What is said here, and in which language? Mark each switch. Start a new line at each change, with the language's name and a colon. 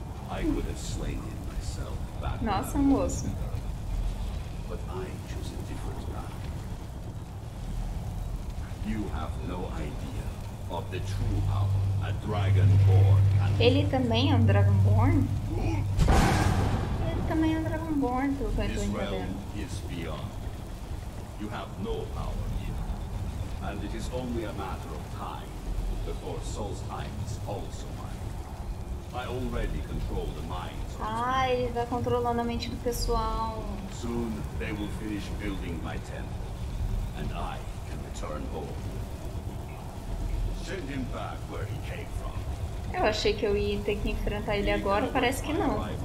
English: I could have slain him myself back.
Portuguese: Nossa, moço.
English: But I choose a different path. You have no idea of the true power a Dragonborn can.
Portuguese: Ele também é um Dragonborn? Também é Dragonborn, pelo que eu entendi.
English: Is beyond. You have no power here. And it is only a matter of time before Solstheim is also mine. I already control the minds.
Portuguese: Ah, ele tá controlando a mente do pessoal.
English: Soon they will finish building my temple. And I can return home. Send him back where he came from.
Portuguese: Eu achei que eu ia ter que enfrentar ele agora, parece que não.